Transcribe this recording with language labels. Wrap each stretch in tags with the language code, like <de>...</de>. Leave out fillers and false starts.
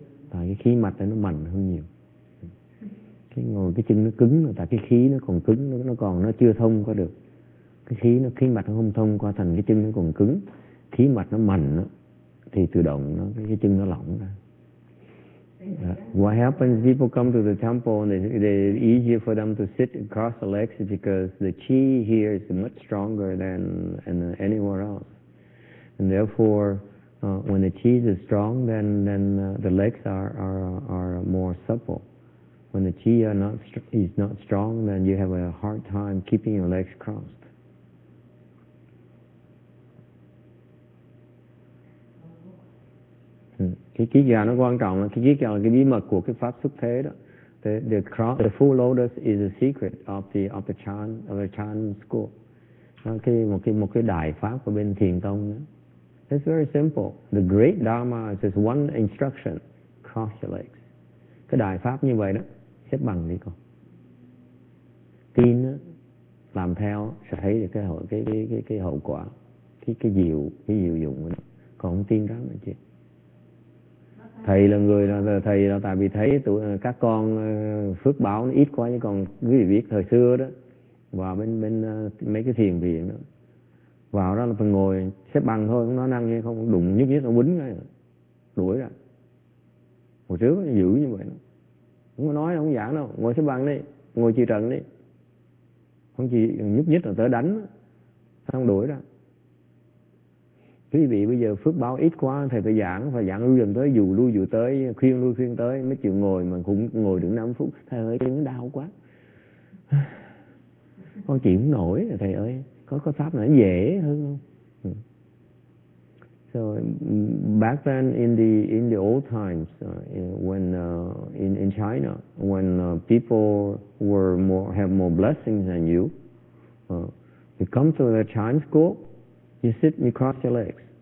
<vi>Tại cái khí mạch nó mạnh hơn nhiều. Cái ngồi cái chân nó cứng, tại cái khí nó còn cứng, nó chưa thông qua được. Cái khí nó, khí mạch nó không thông qua, thành cái chân nó còn cứng. Khí mạch nó mạnh đó, thì tự động nó, cái chân nó lỏng ra.</vi> <en>What happens, people come to the temple and it's easier for them to sit and cross the legs because the chi here is much stronger than anywhere else. And therefore, when the chi is strong, then the legs are more supple. When the chi is not strong, then you have a hard time keeping your legs crossed.</en> <vi>Cái kiết già nó quan trọng là cái kiết già là cái bí mật của cái pháp xuất thế đó.</vi> <en>The full lotus is a secret of the Chan school.</en> <vi>Một cái đại pháp của bên thiền tông đó.</vi> <en>It's very simple. The great Dharma is just one instruction: cross your legs.</en> <vi>Cái đại pháp như vậy đó, xếp bằng đi con. Tin đó, làm theo sẽ thấy được cái hậu quả, cái diệu dụng của nó. Còn không tin ráng là chi? Thầy là người là thầy là tại vì thấy các con phước báo nó ít quá, nhưng còn quý vị biết thời xưa đó, vào bên mấy cái thiền viện đó. Vào đó là phải ngồi xếp bằng thôi, nó năng như không đụng nhúc nhích, nó quýnh ngay rồi, đuổi ra. Hồi trước nó giữ như vậy, không có nói, không giảng đâu, ngồi xếp bằng đi, ngồi chịu trận đi. Không chỉ nhúc nhích là tới đánh, xong đuổi ra. Quý vị bây giờ phước báo ít quá, thầy phải giảng, lưu dần tới, dù lưu dù tới, khuyên lưu khuyên tới, mới chịu ngồi mà cũng ngồi được 5 phút. Thầy ơi, chân nó đau quá. Con chịu không nổi rồi, thầy ơi. Có pháp nó dễ hơn không?</vi> <en>So back then in the old times when in China, when people were have more blessings than you, you come to the Chinese school, you sit and you cross your legs.</en>